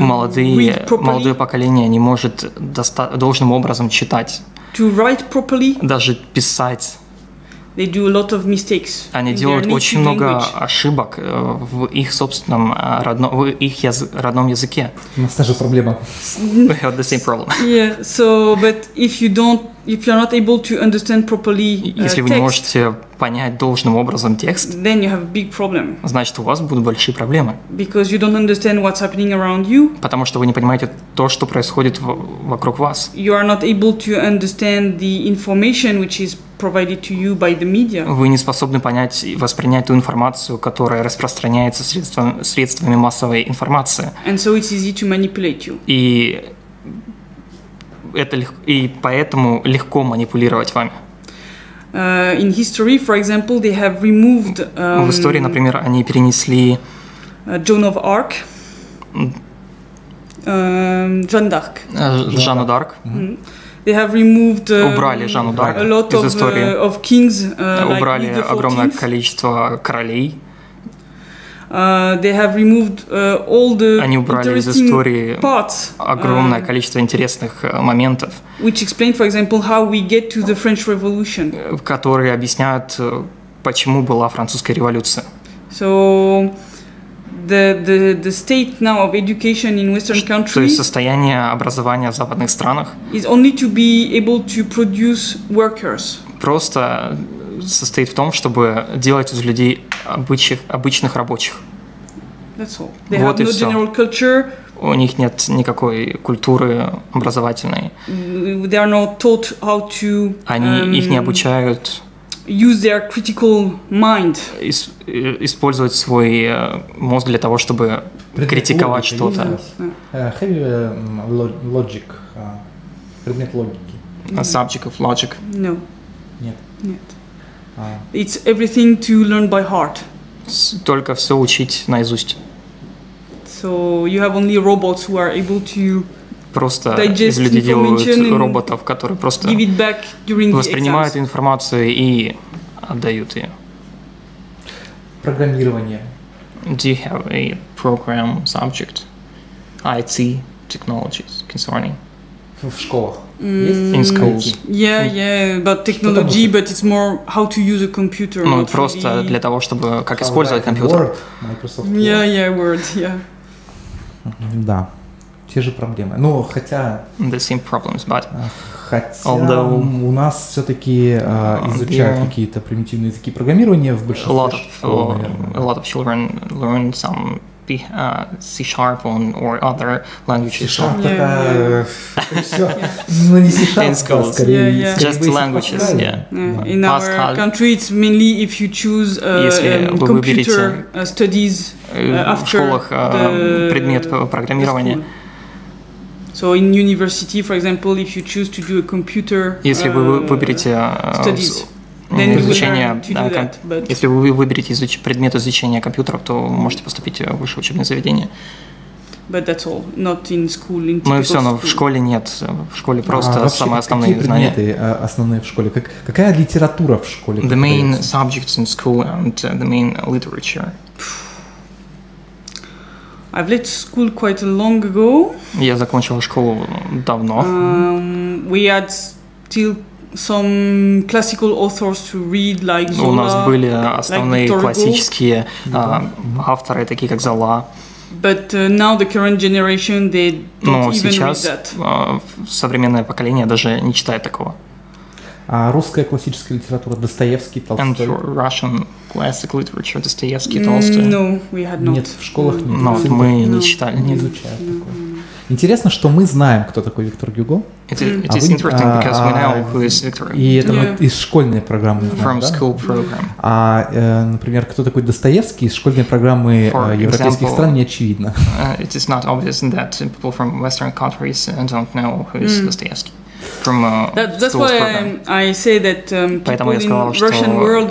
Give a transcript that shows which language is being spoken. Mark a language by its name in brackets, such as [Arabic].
[Russian] молодое поколение не может должным образом читать. [English] To write properly, [Russian] даже писать. [English] They do a lot of mistakes. [Russian] Они делают очень много ошибок в их собственном родном языке. У нас та же проблема. [English] We have the same problem. Yeah. So, but if you're not able to understand properly, [Russian] если вы не можете понять должным образом текст, [English] then you have a big problem. [Russian] Значит, у вас будут большие проблемы. [English] Because you don't understand what's happening around you. [Russian] Потому что вы не понимаете то, что происходит вокруг вас. [English] You are not able to understand the information which is provided to you by the media. [Russian] Вы не способны понять и воспринять ту информацию, которая распространяется средствами массовой информации. [English] And so it's easy to manipulate you. [Russian] И поэтому легко манипулировать вами. [English] In history, for example, they have removed. [Russian] В истории, например, они перенесли. [English] Joan of Arc. [Russian] Жан д'Арк. Жанну д'Арк. [English] They have removed. [Russian] Убрали Жанну д'Арк из истории. [English] A lot of kings. [Russian] Убрали [English] like [Russian] огромное количество королей. [English] They have removed all the [Russian] они убрали из истории огромное количество интересных моментов, [English] which explain, for example, how we get to the French Revolution, [Russian] которые объясняют, почему была французская революция. [English] So the state now of education in Western countries, [Russian] то есть состояние образования в западных странах, [English] is only to be able to produce workers. [Russian] Просто состоит в том, чтобы делать из людей обычных рабочих. [English] That's all. They [Russian] вот [English] have no general culture. [Russian] У них нет никакой культуры образовательной. [English] They are not taught how to, [Russian] они их не обучают [English] use their critical mind. [Russian] Использовать свой мозг для того, чтобы критиковать что-то. [English] Heavy logic. [Russian] Предмет логики. [English] Subject of logic. No. [Russian] Нет. [English] It's everything to learn by heart. [Russian] Только все учить наизусть. [English] So you have only robots who are able to [Russian] просто [English] digest [Russian] из людей делают роботов, которые просто [English] give it back during [Russian] воспринимают [English] the [Russian] информацию и отдают ее. Программирование. [English] Do you have a program subject? IT technologies concerning? [Russian] В школах. [English] In schools. Yeah, but technology, but it's more how to use a computer. [Russian] Ну, просто [English] really [Russian] для того, чтобы как использовать компьютер. [English] Word, Microsoft Word. Yeah, Word, yeah. [Russian] Да, те же проблемы. Ну, хотя... [English] The same problems, but... [Russian] Хотя [English] although, [Russian] у нас все-таки изучают какие-то примитивные языки программирования в большинстве школ. [English] A lot of children learn some C-sharp on or other languages. [Russian] C-sharp это... Ну, не C-sharp, да, скорее. [English] Just languages, yeah. In our country, it's mainly if you choose computer studies after the... [Russian] В школах предмет программирования. [English] So in university, for example, if you choose to do a computer studies. [Russian] Изучение, если вы выберете предмет изучения компьютеров, то можете поступить в высшее учебное заведение. [English] But that's all. Not in school, in [Russian] ну и все, но в школе нет. В школе просто самые основные какие знания. Какие предметы основные в школе? Какая литература в школе? [English] The main subjects in school and the main literature. I've left school quite long ago. [Russian] Я закончил школу давно. [English] We had still some classical authors to read, like Zola. [Russian] У нас были основные классические авторы, такие как Зола. [English] But now the current generation, they don't even read that. [Russian] Но сейчас современное поколение даже не читает такого. А русская классическая литература, Достоевский, Толстой. [English] And Russian classic literature, Достоевский, Толстой. No, we had not. [Russian] Нет, в школах нет. Но мы не читали, не изучали такого. Интересно, что мы знаем, кто такой Виктор Гюго. Из школьной программы. [English] From school program. [Russian] А, например, кто такой Достоевский из школьной программы европейских стран, не очевидно. [English] It is not obvious that people from Western countries don't know who is Dostoevsky. From, that's why I say that people in Russian world